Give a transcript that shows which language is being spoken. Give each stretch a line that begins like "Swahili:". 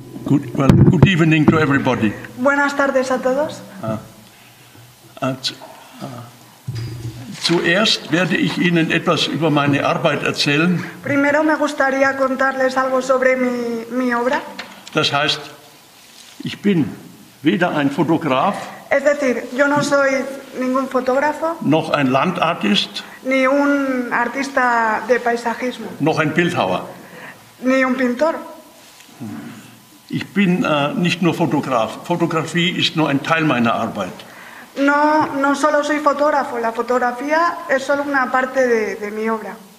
English: Good evening to everybody.
Spanish: Buenas tardes a todos.
German: Zuerst werde ich Ihnen etwas über meine Arbeit erzählen.
Spanish: Primero me gustaría contarles algo sobre mi obra.
German: Das heißt, ich bin weder ein Fotograf.
Spanish: Es decir, yo no soy ningún fotógrafo.
German: Noch ein Landartist.
Spanish: Ni un artista de paisajismo.
German: Noch ein Bildhauer.
Spanish: Ni un pintor.
German: Ich bin nicht nur Fotograf. Fotografie ist nur ein Teil meiner Arbeit.
Spanish: No solo soy fotógrafo. La fotografía es solo una parte de mi obra.